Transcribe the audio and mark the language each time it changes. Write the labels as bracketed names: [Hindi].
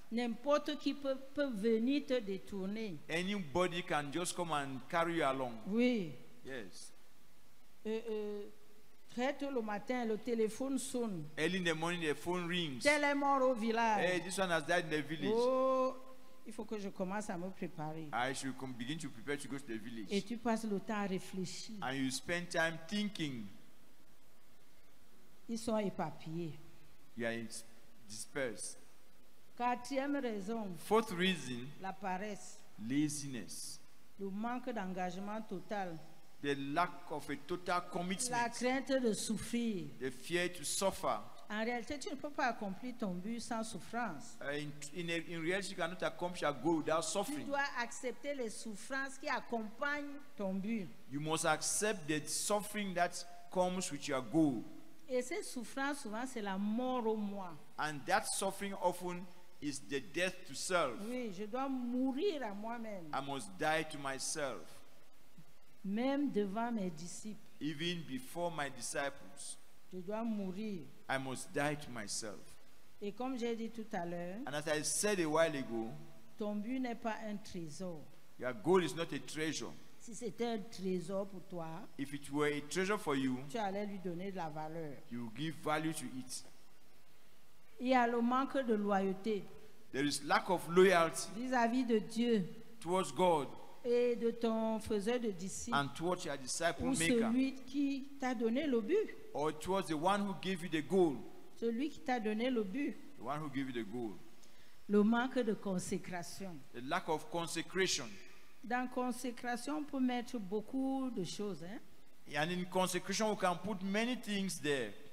[French] N'importe qui peut venir te détourner. [English] Anybody can just come and carry you along. [French] Oui. [English] Yes. [French] Très tôt le matin, le téléphone sonne. [English] Early in the morning, the phone rings. [French] Tel est mort au village. [English] Hey, this one has died in the village. [French] Oh, il faut que je commence à me préparer. [English] I should begin to prepare to go to the village. [French] Et tu passes le temps à réfléchir. [English] And you spend time thinking. [French] Ils sont éparpillés. [English] You are dispersed. [French] Quatrième raison. [English] Fourth reason. [French] La paresse. [English] Laziness. [French] Le manque d'engagement total. [English] The lack of a total commitment. [French] La crainte de souffrir. [English] The fear to suffer. [French] En réalité, tu ne peux pas accomplir ton but sans souffrance. [English] In reality, you cannot accomplish a goal without suffering. [French] Tu dois accepter les souffrances qui accompagnent ton but. [English] You must accept the suffering that comes with your goal. [French] Et ces souffrances, souvent, c'est la mort au moi. [English] And that suffering often is the death to self. [French] Oui, je dois mourir à moi-même. [English] I must die to myself. [French] Même devant mes disciples. [English] Even before my disciples. [French] Je dois mourir. [English] I must die to myself. [French] Et comme j'ai dit tout à l'heure. [English] And as I said a while ago. [French] Ton but n'est pas un trésor. [English] Your goal is not a treasure. [French] Si c'était un trésor pour toi. [English] If it were a treasure for you. [French] Tu allais lui donner de la valeur. [English] You give value to it. [French] Il y a le manque de loyauté. [English] There is lack of loyalty. [French] Vis-à-vis de Dieu. [English] Towards God. [French] Et de ton faiseur de disciples. [English] And towards your disciple maker. [French] Ou celui qui t'a donné le but. [English] Or towards the one who gave you the goal. [French] Celui qui t'a donné le but. [English] The one who gave you the goal. [French] Le manque de consécration. [English] The lack of consecration. [French] Dans consécration, on peut mettre beaucoup de choses. Hein? [English] And in consecration, we can put many things there.